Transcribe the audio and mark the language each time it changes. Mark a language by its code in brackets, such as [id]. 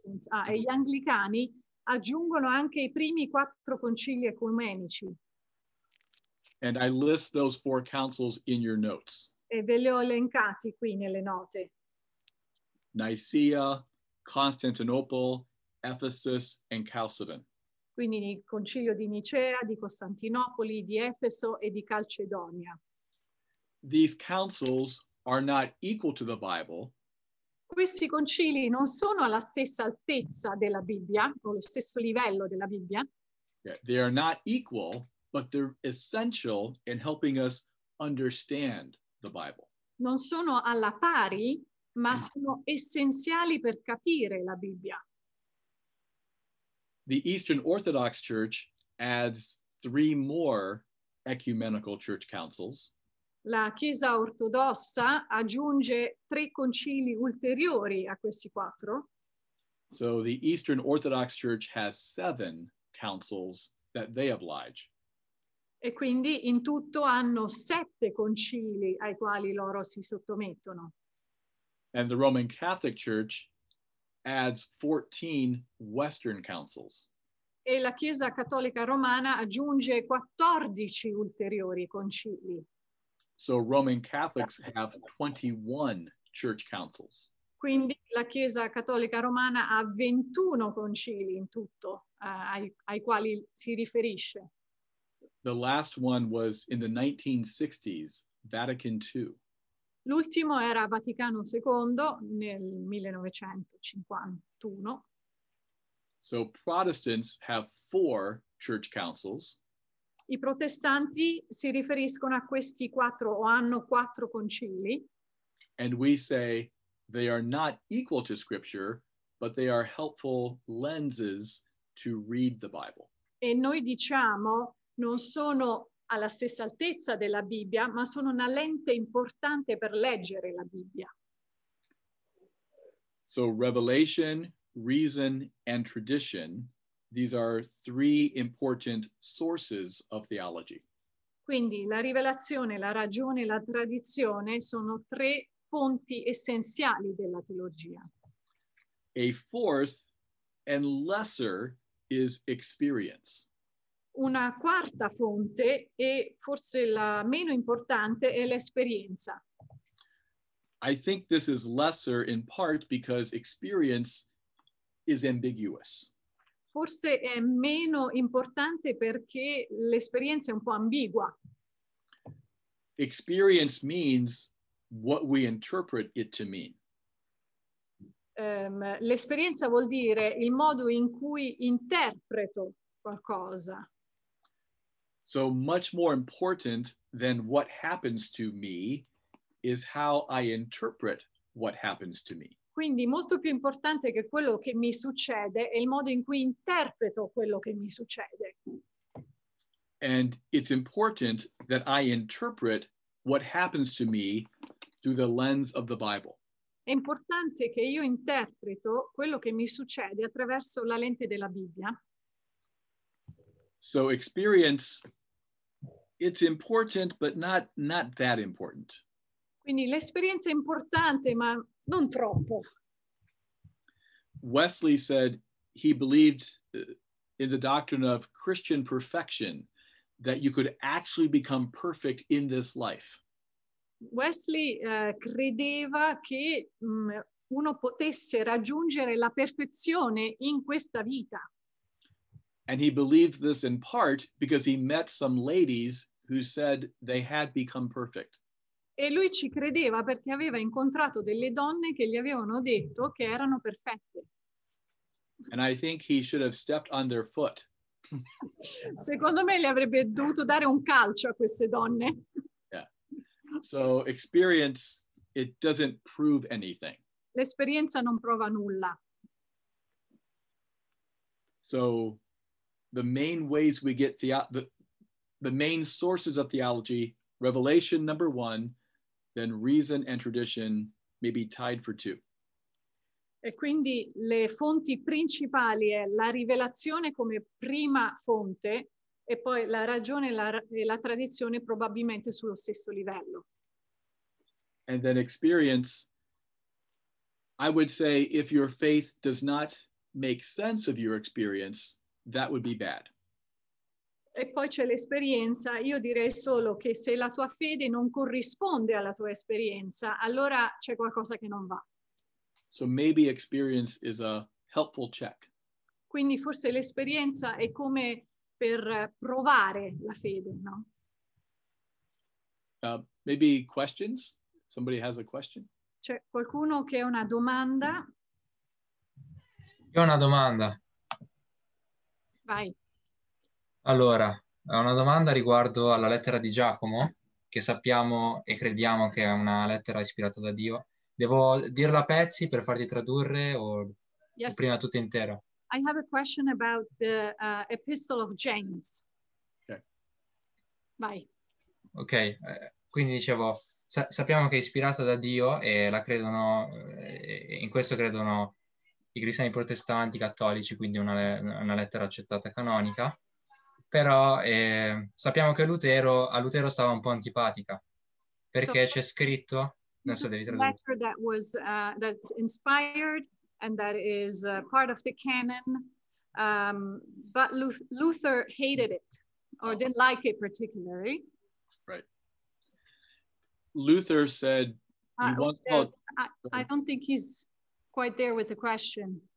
[it] E gli anglicani aggiungono anche i primi quattro concili ecumenici. [en] And I list those four councils in your notes. [it] E ve li ho elencati qui nelle note. [en] Nicaea, Constantinople, Ephesus and Chalcedon. [it] Quindi il concilio di Nicea, di Costantinopoli, di Efeso e di Calcedonia. [en] These councils are not equal to the Bible. [it] Questi concili non sono alla stessa altezza della Bibbia, o allo stesso livello della Bibbia. [en] Yeah, they are not equal, but they're essential in helping us understand the Bible. [it] Non sono alla pari, ma sono essenziali per capire la Bibbia. [en] The Eastern Orthodox Church adds three more ecumenical church councils. [it] La Chiesa Ortodossa aggiunge tre concili ulteriori a questi quattro. [en] So the Eastern Orthodox Church has seven councils that they oblige. [it] E quindi in tutto hanno sette concili ai quali loro si sottomettono. [en] And the Roman Catholic Church adds 14 Western councils. [it] E la Chiesa Cattolica Romana aggiunge 14 ulteriori concili. [en] So Roman Catholics have 21 church councils. [it] Quindi la Chiesa Cattolica Romana ha 21 concili in tutto ai quali si riferisce. [en] The last one was in the 1960s, Vatican II. [it] L'ultimo era Vaticano II nel 1951. [en] So Protestants have four church councils. [it] I protestanti si riferiscono a questi quattro o hanno quattro concili. [en] And we say they are not equal to scripture, but they are helpful lenses to read the Bible. [it] E noi diciamo non sono alla stessa altezza della Bibbia, ma sono una lente importante per leggere la Bibbia. [en] So revelation, reason, and tradition, these are three important sources of theology. [it] Quindi la rivelazione, la ragione, la tradizione sono tre fonti essenziali della teologia. [en] A fourth and lesser is experience. [it] Una quarta fonte, e forse la meno importante, è l'esperienza. [en] I think this is lesser in part because experience is ambiguous. [it] Forse è meno importante perché l'esperienza è un po' ambigua. [en] Experience means what we interpret it to mean. [it] L'esperienza vuol dire il modo in cui interpreto qualcosa. [en] So much more important than what happens to me is how I interpret what happens to me. [it] Quindi molto più importante che quello che mi succede è il modo in cui interpreto quello che mi succede. [en] And it's important that I interpret what happens to me through the lens of the Bible. [it] È importante che io interpreto quello che mi succede attraverso la lente della Bibbia. [en] So experience, it's important, but not that important. [it] Quindi l'esperienza è importante, ma non troppo. [en] Wesley said he believed in the doctrine of Christian perfection, that you could actually become perfect in this life. [it] Wesley credeva che uno potesse raggiungere la perfezione in questa vita. [en] And he believed this in part because he met some ladies who said they had become perfect. [it] E lui ci credeva perché aveva incontrato delle donne che gli avevano detto che erano perfette. [en] And I think he should have stepped on their foot. [it] Secondo me gli avrebbe dovuto dare un calcio a queste donne. [en] Yeah. So experience, it doesn't prove anything. [it] L'esperienza non prova nulla. [en] So the main ways we get the main sources of theology, revelation number one, then reason and tradition, maybe tied for two. [it] E quindi le fonti principali è la rivelazione come prima fonte e poi la ragione e la tradizione probabilmente sullo stesso livello. [en] And then experience, I would say if your faith does not make sense of your experience, that would be bad. [it] E poi c'è l'esperienza. Io direi solo che se la tua fede non corrisponde alla tua esperienza, allora c'è qualcosa che non va. [en] So maybe experience is a helpful check. [it] Quindi forse l'esperienza è come per provare la fede, no? [en] Maybe questions? Somebody has a question? [it] C'è qualcuno che ha una domanda? Io ho una domanda. Vai. Allora, una domanda riguardo alla lettera di Giacomo, che sappiamo e crediamo che è una lettera ispirata da Dio. Devo dirla a pezzi per farti tradurre o [en] yes, [it] prima tutta intera? [en] I have a question about the epistle of James. Okay. [it] Vai. Ok, quindi dicevo, sappiamo che è ispirata da Dio e la credono, in questo credono i cristiani protestanti, cattolici, quindi una lettera accettata canonica. Però sappiamo che a Lutero stava un po' antipatica, perché so, c'è scritto, adesso devi tradurre. [en] Letter that was that's inspired and that is part of the canon, but Luther hated it or didn't like it particularly. Right. Luther said, I don't think he's quite there with the question.